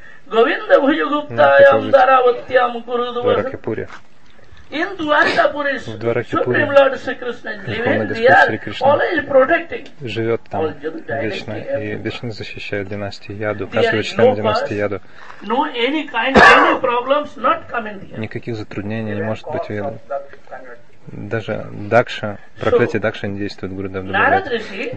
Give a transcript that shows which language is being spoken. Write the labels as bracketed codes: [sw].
[sa] Говинда Бхуджагуптаям Дараватьям Гуру Дваракапури. [en] In Dwarakapuri, Supreme Lord Sri Krishna is living there, always protecting. [ru] Живет там вечно и вечно защищает династию Яду, каждого члена династии Яду. [en] No any kind of any problems not coming here. [ru] Никаких затруднений не может быть. Даже Дакша, проклятие Дакша не действует в Гуру Дваракапури.